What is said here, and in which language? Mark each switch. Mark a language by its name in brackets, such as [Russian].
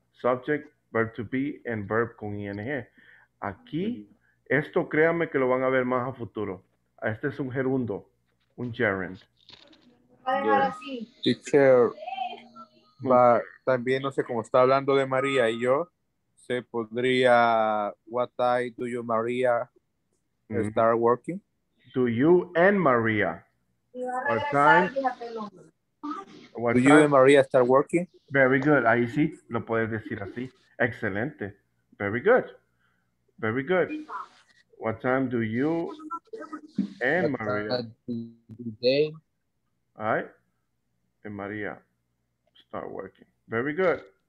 [English] Subject, verb to be, and verb con ing. [Spanish] Aquí, uh-huh. Esto créanme que lo van a ver más a futuro. Este es un gerundo, un gerund. [English] Yes. [Spanish] Teacher, but también no sé cómo está hablando de María y yo. [English] Se podría, what time do you, Maria, start working? Do you and Maria? What time? Do you and Maria start working? Very good. [Spanish] Ahí sí, lo puedes decir así. Excelente. Very good. Very good. [English] What time do you and Maria? Today. All right. And Maria start working. Very good.